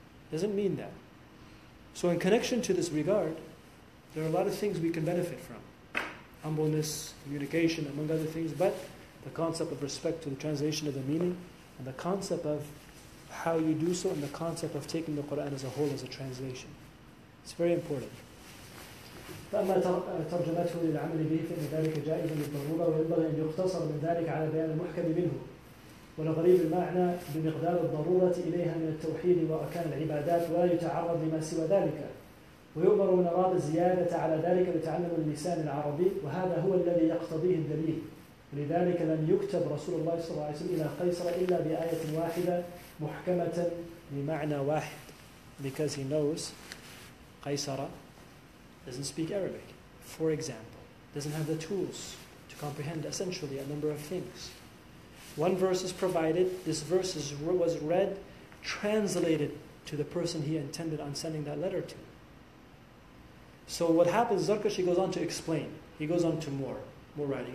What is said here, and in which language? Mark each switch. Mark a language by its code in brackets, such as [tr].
[en] It doesn't mean that. So in connection to this regard, there are a lot of things we can benefit from. Humbleness, communication, among other things, but the concept of respect to the translation of the meaning, and the concept of how you do so, and the concept of taking the Qur'an as a whole as a translation. It's very important. [ar] فأما ترجمته للعمل به فإن ذلك جائز بالضرورة وينبغي أن يقتصر من ذلك على بيان المحكم منه ولغريب المعنى بمقدار الضرورة إليها من التوحيد وأركان العبادات ولا يتعرض لما سوى ذلك ويؤمر من أراد زيادة على ذلك بتعلم اللسان العربي وهذا هو الذي يقتضيه الدليل ولذلك لم يكتب رسول الله صلى الله عليه وسلم إلى قيصر إلا بآية واحدة محكمة بمعنى واحد [en] because he knows قيصر doesn't speak Arabic, for example. Doesn't have the tools to comprehend essentially a number of things. One verse is provided, this verse was read, translated to the person he intended on sending that letter to. So what happens, Zarkashi goes on to explain. He goes on to more writing.